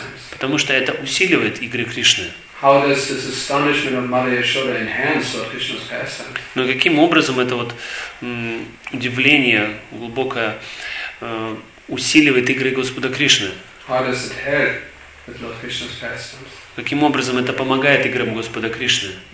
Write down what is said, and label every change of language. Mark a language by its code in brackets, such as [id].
[ru] Потому что это усиливает игры Кришны. [en] How does this astonishment of Mother Yashoda enhance Lord Krishna's pastimes? [ru] Но каким образом это вот удивление глубокое усиливает игры Господа Кришны? [en] How does it help with Lord Krishna's pastimes? [ru] Каким образом это помогает играм Господа Кришны?